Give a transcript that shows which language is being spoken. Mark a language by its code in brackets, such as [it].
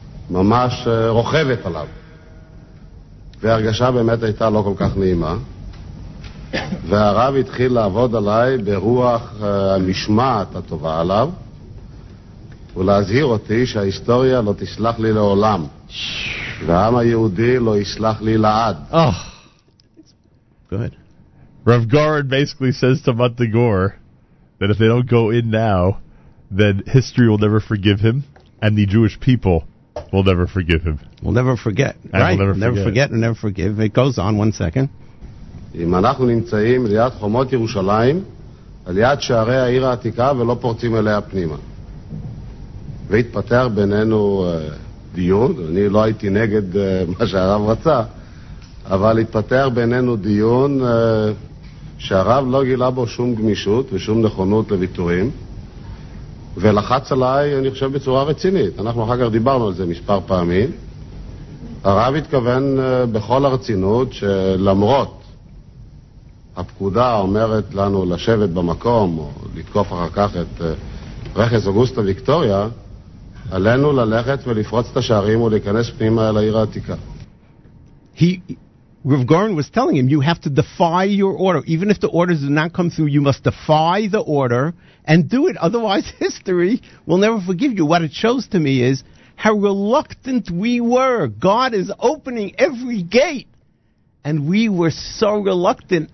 [he] ממש רוכבת עליו והרגשה באמת הייתה לא כל כך נעימה והרב התחיל לעבוד עליי ברוח המשמעת הטובה עליו ולהזהיר אותי שההיסטוריה לא תשלח לי לעולם והעם היהודי לא ישלח לי לעד [en] Oh. Good. Rav Goren basically says to Mata Gor that if they don't go in now then history will never forgive him and the Jewish people We'll never forgive him. We'll never forget. And right. We'll never forget and never forgive. It goes on. One second. [he] אם אנחנו נמצאים ליד חומות ירושלים, על יד שערי העיר העתיקה ולא פורצים אליה פנימה. והתפתח בינינו דיון, אני לא הייתי נגד מה שהרב רצה, אבל התפתח בינינו דיון שהרב לא גילה בו שום גמישות ושום נכונות לוויתורים. ולחץ עליי, אני חושב, בצורה רצינית. אנחנו אחר כך דיברנו על זה מספר פעמים. הרב התכוון בכל הרצינות שלמרות הפקודה אומרת לנו לשבת במקום או לתקוף אחר כך את רכס אוגוסטה ויקטוריה, עלינו ללכת ולפרוץ את השערים ולהיכנס פנימה אל העיר העתיקה. [en] Rav Goren was telling him, you have to defy your order. Even if the orders do not come through, you must defy the order and do it. Otherwise, history will never forgive you. What it shows to me is how reluctant we were. God is opening every gate. And we were so reluctant.